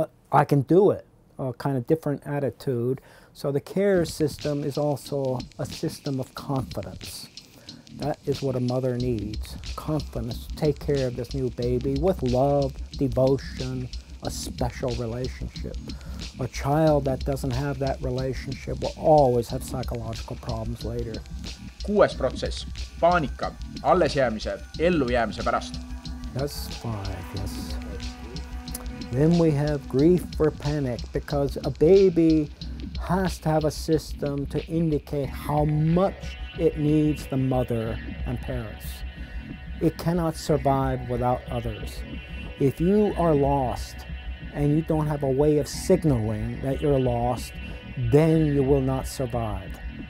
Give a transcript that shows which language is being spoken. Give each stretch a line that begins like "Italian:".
English: I can do it, a kind of different attitude. So the care system is also a system of confidence. That is what a mother needs, confidence to take care of this new baby with love, devotion, a special relationship. A child that doesn't have that relationship will always have psychological problems later.
Estonian: Kuues protsess, paanika, allesjäämise, ellujäämise pärast.
English: That's five, yes. Then we have grief or panic, because a baby has to have a system to indicate how much it needs the mother and parents. It cannot survive without others. If you are lost, and you don't have a way of signaling that you're lost, then you will not survive.